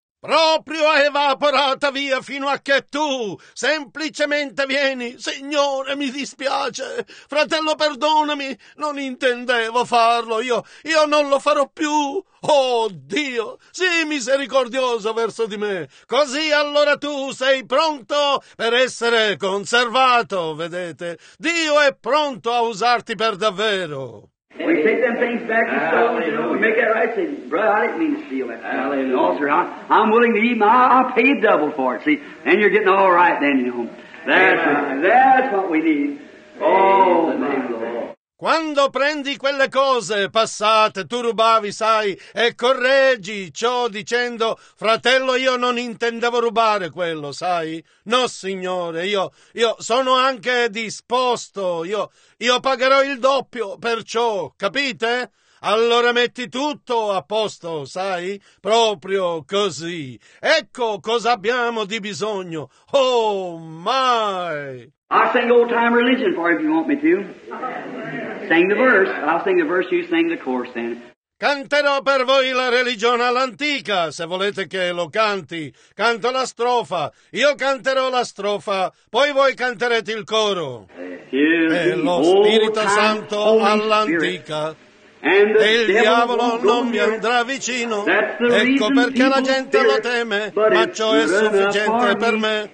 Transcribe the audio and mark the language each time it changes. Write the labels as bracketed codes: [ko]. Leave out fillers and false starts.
[it] Proprio evaporata via fino a che tu semplicemente vieni, Signore, mi dispiace, fratello, perdonami, non intendevo farlo, io non lo farò più, oh Dio, sii misericordioso verso di me, così allora tu sei pronto per essere conservato, vedete, Dio è pronto a usarti per davvero. [en] We take them things back to store, you know, we make that right, say, brother, I didn't mean to steal that. No, sir, I'm willing to eat my, I'll pay you double for it, see, and you're getting all right then, you know. That's what we need. Oh, my Lord. [it] Quando prendi quelle cose passate, tu rubavi, sai, e correggi ciò dicendo, fratello, io non intendevo rubare quello, sai? No, signore, io sono anche disposto, io pagherò il doppio per ciò, capite? Allora metti tutto a posto, sai? Proprio così. Ecco cosa abbiamo di bisogno. [en] Oh, my! I'll sing old time religion for you if you want me to. Sing the verse. I'll sing the verse, you sing the chorus then. [it] Canterò per voi la religione all'antica, se volete che lo canti. Canto la strofa, io canterò la strofa, poi voi canterete il coro. E lo Spirito Santo all'antica. E il diavolo non mi andrà vicino. Ecco perché la gente lo teme, ma ciò è sufficiente per me.